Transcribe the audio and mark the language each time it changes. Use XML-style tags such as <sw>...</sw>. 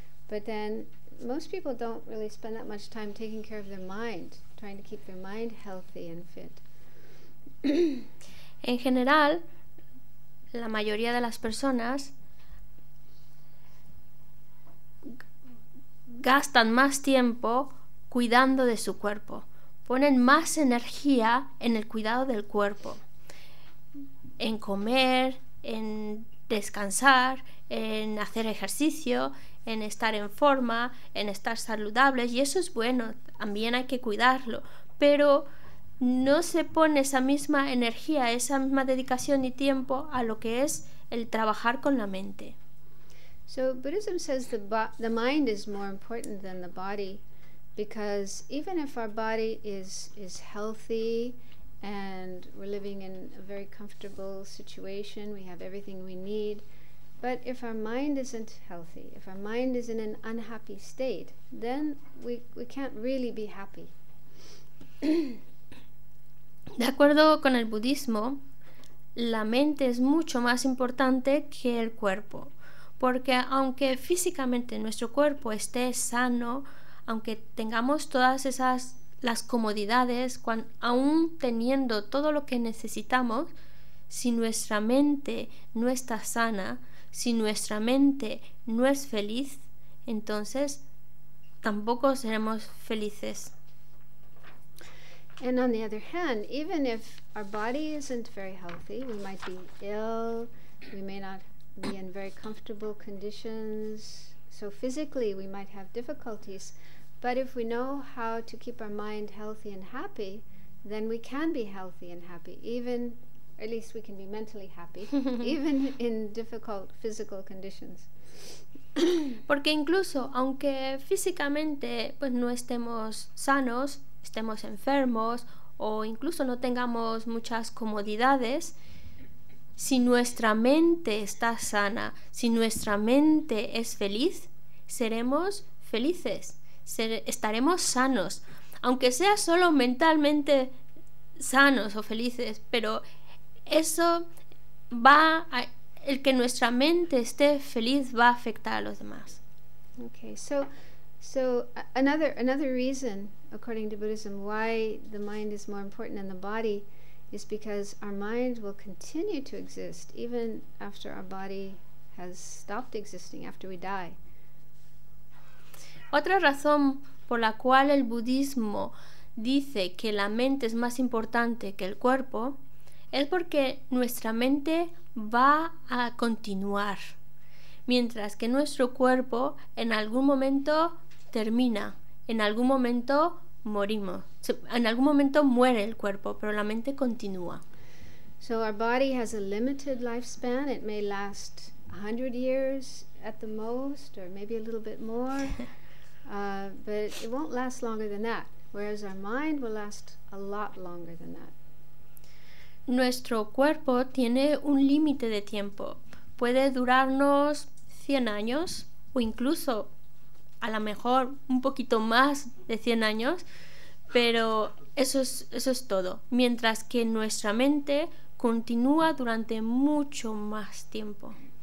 <en>But then most people don't really spend that much time taking care of their mind, trying to keep their mind healthy and fit.</en> <es>En general, la mayoría de las personas gastan más tiempo cuidando de su cuerpo, ponen más energía en el cuidado del cuerpo, en comer, en descansar, en hacer ejercicio, en estar en forma, en estar saludables, y eso es bueno, también hay que cuidarlo, pero no se pone esa misma energía, esa misma dedicación y tiempo a lo que es el trabajar con la mente.</es> <en>So Buddhism says the mind is more important than the body, because even if our body is healthy and we're living in a very comfortable situation, we have everything we need, but if our mind isn't healthy, if our mind is in an unhappy state, then we can't really be happy.</en> <es>De acuerdo con el budismo, la mente es mucho más importante que el cuerpo, porque aunque físicamente nuestro cuerpo esté sano, aunque tengamos todas esas las comodidades, aún teniendo todo lo que necesitamos, si nuestra mente no está sana, si nuestra mente no es feliz, entonces tampoco seremos felices.</es> <en>And on the other hand, even if our body isn't very healthy, we might be ill, we may not be in very comfortable conditions, so physically we might have difficulties, but if we know how to keep our mind healthy and happy, then we can be healthy and happy, even at least we can be mentally happy, even in difficult physical conditions.</en> <es>Porque incluso, aunque físicamente pues no estemos sanos, estemos enfermos, o incluso no tengamos muchas comodidades, si nuestra mente está sana, si nuestra mente es feliz, seremos felices, estaremos sanos. Aunque sea solo mentalmente sanos o felices, pero eso va a, el que nuestra mente esté feliz va a afectar a los demás.</es> <en>Okay, so So another reason, according to Buddhism, why the mind is more important than the body is because our mind will continue to exist even after our body has stopped existing, after we die.</en> <es>Otra razón por la cual el budismo dice que la mente es más importante que el cuerpo es porque nuestra mente va a continuar, mientras que nuestro cuerpo en algún momento termina, en algún momento morimos, en algún momento muere el cuerpo, pero la mente continúa.</es> <en>So our body has a limited lifespan. It may last 100 years at the most, or maybe a little bit more, but it won't last longer than that. Whereas our mind will last a lot longer than that.</en> <es>Nuestro cuerpo tiene un límite de tiempo. Puede durarnos 100 años o incluso a lo mejor un poquito más de 100 años, pero eso es todo. Mientras que nuestra mente continúa durante mucho más tiempo.</es>